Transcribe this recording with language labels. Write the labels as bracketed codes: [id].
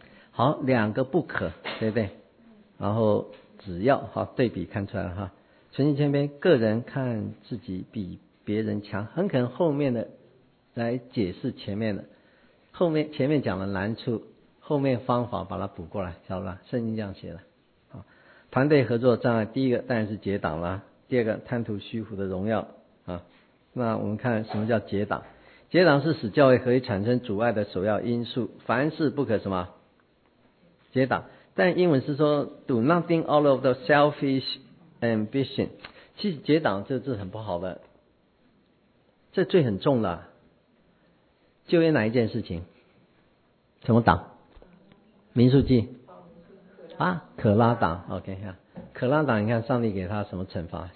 [zh] 好，两个不可，对不对？然后只要，好，对比看出来了哈，存心谦卑，个人看自己比别人强，很可能后面的来解释前面的，后面前面讲的难处，后面方法把它补过来，晓得吧？圣经这样写的。团队合作障碍，第一个当然是结党了，第二个贪图虚浮的荣耀啊。那我们看什么叫结党？结党是使教会合一产生阻碍的首要因素。凡事不可什么？结党。但英文是说 [en] do nothing out of the selfish ambition。 [zh] 其实结党这字很不好的，这罪很重的。就业哪一件事情？什么党？民数记。啊，可拉党 ，OK 哈，可拉党，你看上帝给他什么惩罚？